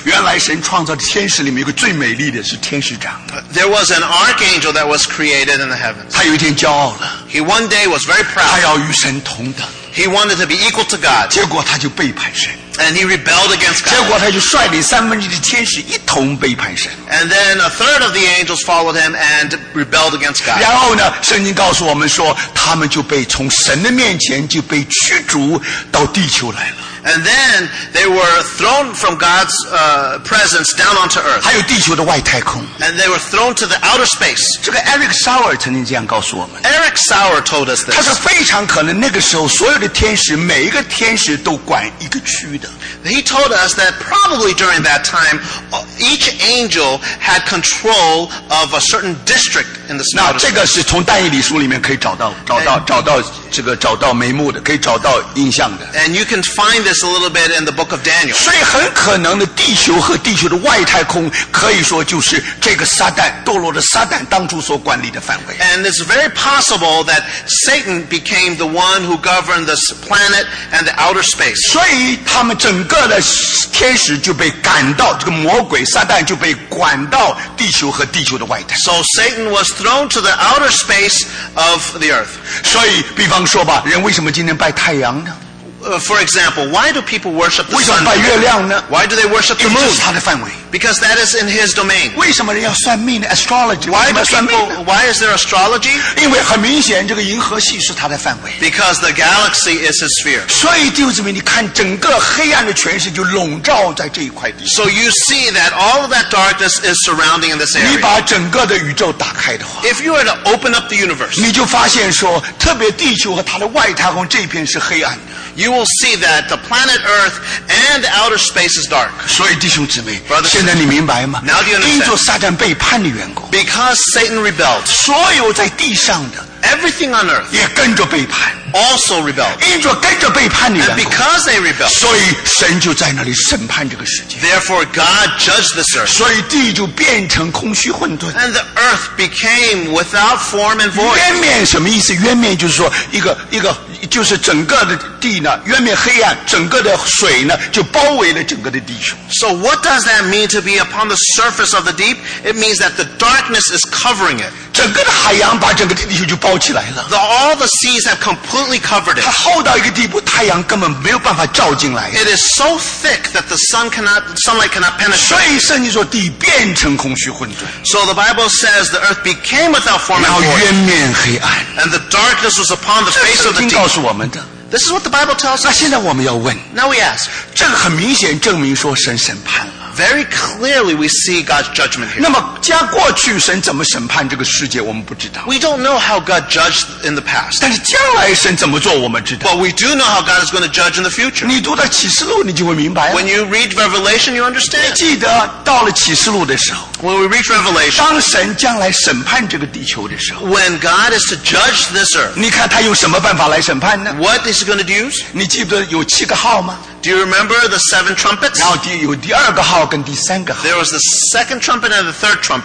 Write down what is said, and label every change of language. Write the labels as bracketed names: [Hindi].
[Chinese] 原来神创造的天使里面一个最美丽的是天使长。 [English] There was an archangel that was created in the heavens. [Chinese] 他有一天骄傲了。 [English] He one day was very proud. [Chinese] 他要与神同等。 [English] He wanted to be equal to God. [Chinese] 结果他就背叛神。 [English] And he rebelled against God. [Chinese] 结果他就率领三分之一的天使一同背叛神。 [English] And then a third of the angels followed him and rebelled against God. [Chinese] 然后呢，圣经告诉我们说，他们就被从神的面前就被驱逐到地球来了。 [English] And then they were thrown from God's presence down onto earth. [Chinese] 还有地球的外太空。 [English] And they were thrown to the outer space. [Chinese] 这个 Eric Sauer 曾经这样告诉我们。 [English] Eric Sauer told us this. [Chinese] 他说非常可能那个时候所有的天使，每一个天使都管一个区的。 [English] He told us that probably during that time, each angel had control of a certain district in the outer space. [Chinese] 那这个是从但以理书里面可以找到这个找到眉目的，可以找到印象的。 [English] And you can find. This a little bit in the book of Daniel. [Chinese] 所以很可能的，地球和地球的外太空，可以说就是这个撒旦堕落的撒旦当初所管理的范围。 [English] And it's very possible that Satan became the one who governed this planet and the outer space. [Chinese] 所以他们整个的天使就被赶到这个魔鬼撒旦就被管到地球和地球的外太。 [English] So Satan was thrown to the outer space of the earth. [Chinese] 所以，比方说吧，人为什么今天拜太阳呢？ [English] For example, why do people worship the sun? [Chinese] 为什么拜月亮呢？ [English] Why do they worship the moon? [Chinese] 因为这是他的范围。 [English] Because that is in his domain. [Chinese] 为什么人要算命呢？Astrology. [English] Why do people? Why is there astrology? [Chinese] 因为很明显，这个银河系是他的范围。 [English] Because the galaxy is his sphere. [Chinese] 所以弟兄姊妹，你看整个黑暗的权势就笼罩在这一块地。 [English] So you see that all of that darkness is surrounding in this area. [Chinese] 你把整个的宇宙打开的话 [English] ，If you were to open up the universe, [Chinese] 你就发现说，特别地球和它的外太空这一片是黑暗的。 [English] You will see that the planet Earth and outer space is dark. [Chinese] 所以弟兄姊妹，现在你明白吗？ [English] Now do you understand? [Chinese] 因着撒旦背叛的缘故， [English] because Satan rebelled, [Chinese] 所有在地上的 [English] everything on Earth [Chinese] 也跟着背叛。 [English] Also rebelled. [Chinese] 因着跟着背叛的缘故， [English] and because they rebelled, [Chinese] 所以神就在那里审判这个世界。 [English] Therefore, God judged this earth. [Chinese] 所以地就变成空虚混沌。 [English] And the earth became without form and void. [Chinese] 渊面什么意思？渊面就是说一个就是整个的地呢，渊面黑暗，整个的水呢就包围了整个的地球。 [English] So what does that mean to be upon the surface of the deep? It means that the darkness is covering it. [Chinese] 整个的海洋把整个地球就包起来了。 [English] All the seas have completely covered it. [Chinese] 它厚到一个地步，太阳根本没有办法照进来。 [English] It is so thick that the sunlight cannot penetrate. [Chinese] 所以圣经说地变成空虚混沌。 [English] So the Bible says the earth became without form and void. [Chinese] 然后渊面黑暗。 [English] And the darkness was upon the face of the deep. [Chinese] 这圣经告诉我们的。 [English] This is what the Bible tells us. [Chinese] 那现在我们要问。 [English] Now we ask. [Chinese] 这个很明显证明说神审判了。 [English] very clearly we see God's judgment here. [Chinese] 那么加过去神怎么审判这个世界我们不知道。 [English] We don't know how God judged in the past. [Chinese] 但是将来神怎么做我们知道。 [English] But we do know how God is going to judge in the future. [Chinese] 你读到启示录你就会明白了。 [English] When you read Revelation, you understand. [Chinese] 你记得到了启示录的时候。 [English] When we reach Revelation. [Chinese] 当神将来审判这个地球的时候。 [English] When God is to judge this earth. [Chinese] 你看他用什么办法来审判呢？ [English] What is he going to use? [Chinese] 你记得有七个号吗？ [English] Do you remember the seven trumpets? [Chinese] 然后第有第二个号跟第三个号。 [English] There was the second trumpet and the third trumpet.